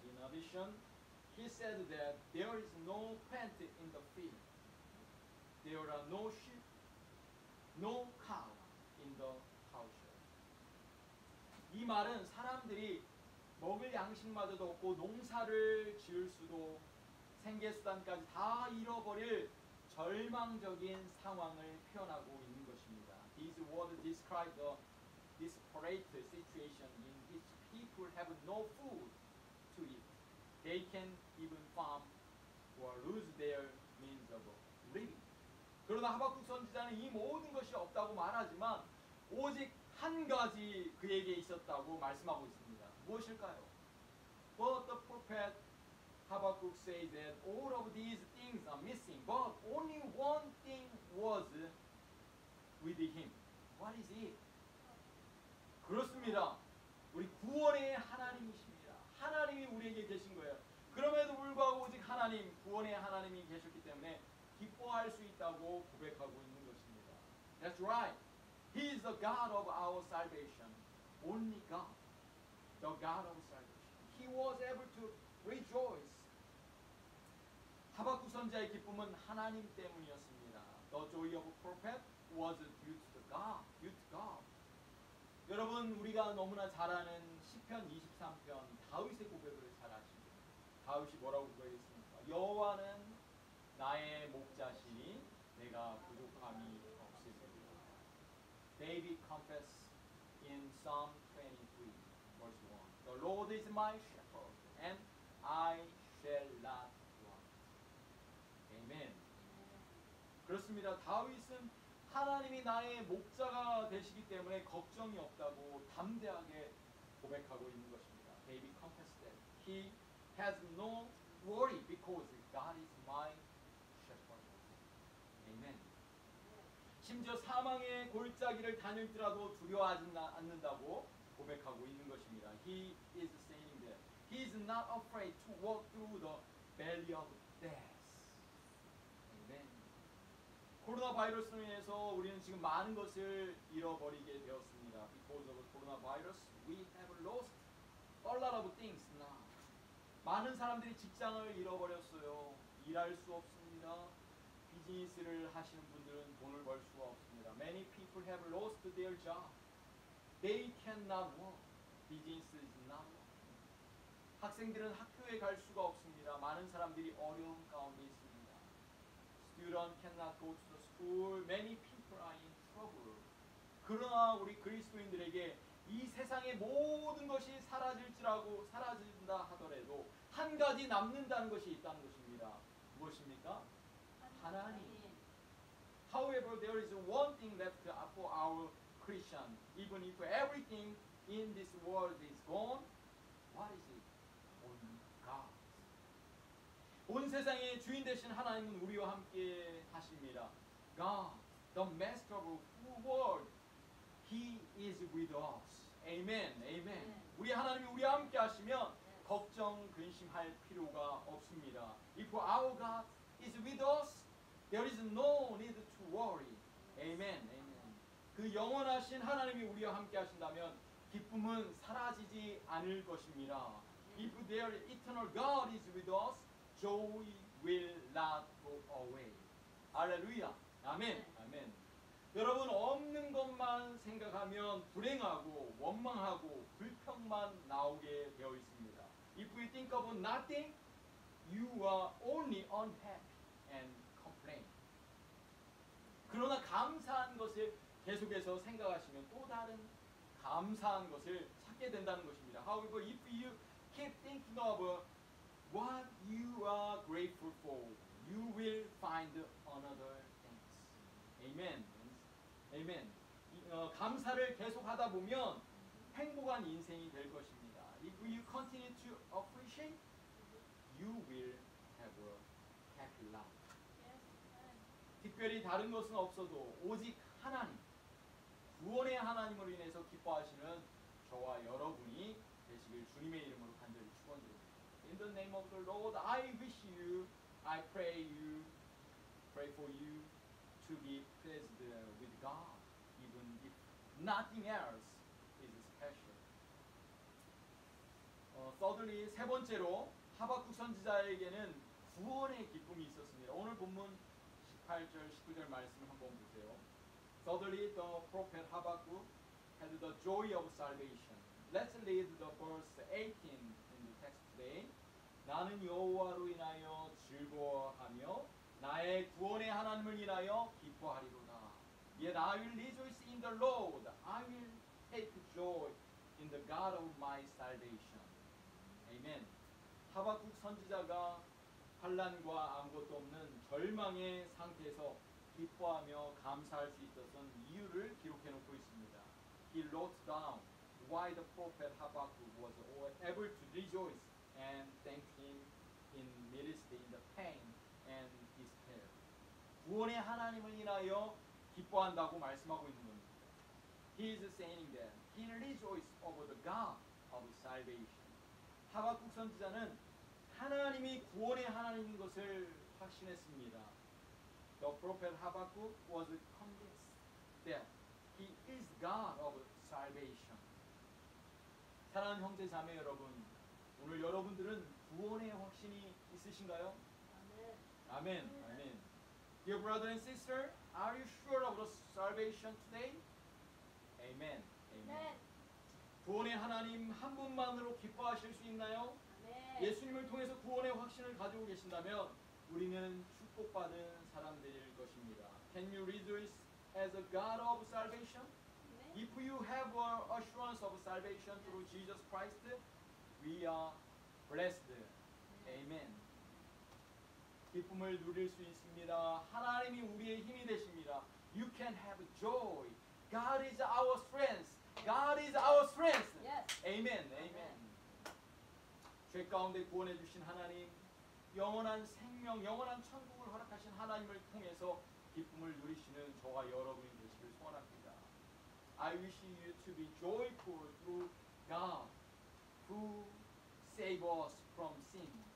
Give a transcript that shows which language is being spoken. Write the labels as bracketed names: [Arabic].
[English] In addition, he said that there is no plant in the field. There are no sheep, no cow in the cowshed. [Korean] 이 말은 사람들이 먹을 양식마저도 없고 농사를 지을 수도 생계수단까지 다 잃어버릴 절망적인 상황을 표현하고 있는 것입니다. [English] These words describe the desperate situation in which people have no food to eat. They can't even farm or lose their means of living. [Korean] 그러나 하박국 선지자는 이 모든 것이 없다고 말하지만 오직 한 가지 그에게 있었다고 말씀하고 있습니다. 무엇일까요? [English] But the prophet Habakkuk says that all of these things are missing, but only one thing was with him. What is it? [Korean] 그렇습니다. 우리 구원의 하나님이십니다. 하나님이 우리에게 계신 거예요. 그럼에도 불구하고 오직 하나님, 구원의 하나님이 계셨기 때문에 기뻐할 수 있다고 고백하고 있는 것입니다. [English] That's right. He is the God of our salvation, only God, the God of salvation. He was able to rejoice. [Korean] 하박국 선지자의 기쁨은 하나님 때문이었습니다. [English] The joy of a prophet was due to God, due to God. [Korean] 여러분, 우리가 너무나 잘 아는 시편 23편 다윗의 고백을 잘 아시죠? 다윗이 뭐라고 고백했습니까? 여호와는 나의 목자시니 내가 부족함이 없으리라. [English] David confessed in Psalm 23, verse 1, The Lord is my shepherd, and I shall not want. Amen. [Korean] 그렇습니다. 다윗은 하나님이 나의 목자가 되시기 때문에 걱정이 없다고 담대하게 고백하고 있는 것입니다. [English] David confessed that he has no worry because God is my shepherd. Amen. [Korean] 심지어 사망의 골짜기를 다닐지라도 두려워하지 않는다고 고백하고 있는 것입니다. [English] He is saying that he is not afraid to walk through the valley of death. Amen. [Korean] 코로나 바이러스로 인해서 우리는 지금 많은 것을 잃어버리게 되었습니다. [English] Because of the coronavirus, we have lost a lot of things now. [Korean] 많은 사람들이 직장을 잃어버렸어요. 일할 수 없습니다. 비즈니스를 하시는 분들은 돈을 벌 수가 없습니다. [English] Many people have lost their job. They cannot work. Business is not working. [Korean] 학생들은 학교에 갈 수가 없습니다. 많은 사람들이 어려운 가운데 있습니다. [English] Students cannot go to the school. Many people are in trouble. [Korean] 그러나 우리 그리스도인들에게 이 세상의 모든 것이 사라질지라고 사라진다 하더라도 한 가지 남는다는 것이 있다는 것입니다. 무엇입니까? 하나님. [English] However, there is one thing left for our Christian. Even if everything in this world is gone, what is it? Only God. [Korean] 온 세상의 주인 되신 하나님은 우리와 함께 하십니다. [English] God, the master of the world, He is with us. Amen. Amen. [Korean] 우리 하나님이 우리와 함께 하시면 걱정, 근심할 필요가 없습니다. [English] If our God is with us, There is no need to worry. Amen. Amen. [Korean] 그 영원하신 하나님이 우리와 함께 하신다면 기쁨은 사라지지 않을 것입니다. [English] If there eternal God is with us, joy will not go away. [Korean] 할렐루야. 아멘. 아멘. 여러분, 없는 것만 생각하면 불행하고 원망하고 불평만 나오게 되어 있습니다. [English] If we think of nothing, you are only unhappy and [Korean] 그러나 감사한 것을 계속해서 생각하시면 또 다른 감사한 것을 찾게 된다는 것입니다. [English] However, if you keep thinking of what you are grateful for, you will find another thanks. Amen. Amen. [Korean] 감사를 계속하다 보면 행복한 인생이 될 것입니다. [English] If you continue to appreciate, you will have a happy life. [Korean] 특별히 다른 것은 없어도 오직 하나님, 구원의 하나님으로 인해서 기뻐하시는 저와 여러분이 되시길 주님의 이름으로 간절히 축원드립니다. [English] In the name of the Lord, I wish you, I pray you, pray for you to be pleased with God, even if nothing else is special. Thirdly, [Korean] 세 번째로 하박국 선지자에게는 구원의 기쁨이 있었습니다. 오늘 본문 8절, 19절 말씀을 한번 보세요. [English] Suddenly the prophet Habakkuk had the joy of salvation. Let's read the verse 18 in the text today. [Korean] 나는 여호와로 인하여 즐거워하며 나의 구원의 하나님을 인하여 기뻐하리로다. [English] Yet I will rejoice in the Lord. I will take joy in the God of my salvation. Amen. [Korean] 하박국 선지자가 환란과 아무것도 없는 절망의 상태에서 기뻐하며 감사할 수 있었던 이유를 기록해 놓고 있습니다. [English] He wrote down why the prophet Habakkuk was able to rejoice and thank him in midst in the pain and despair. [Korean] 구원의 하나님을 인하여 기뻐한다고 말씀하고 있는 겁니다. [English] He is saying that he rejoices over the God of salvation. [Korean] 하박국 선지자는 하나님이 구원의 하나님인 것을 확신했습니다. [English] The prophet Habakkuk was convinced that he is God of salvation. [Korean] 사랑하는 형제 자매 여러분, 오늘 여러분들은 구원의 확신이 있으신가요? 아멘. 아멘. 아멘. [English] Dear brother and sister, are you sure of the salvation today? Amen. Amen. [Korean] 구원의 하나님 한 분만으로 기뻐하실 수 있나요? 예수님을 통해서 구원의 확신을 가지고 계신다면 우리는 축복받은 사람들일 것입니다. [English] Can you rejoice as a God of salvation? [Korean] 네. [English] If you have an assurance of salvation through Jesus Christ, we are blessed. [Korean] 네. [English] Amen. [Korean] 기쁨을 누릴 수 있습니다. 하나님이 우리의 힘이 되십니다. [English] You can have joy. God is our strength. God is our strength. Yes. Amen. Amen. Amen. [Korean] 죄 가운데 구원해 주신 하나님, 영원한 생명, 영원한 천국을 허락하신 하나님을 통해서 기쁨을 누리시는 저와 여러분이 되시길 소원합니다. [English] I wish you to be joyful through God who saved us from sin.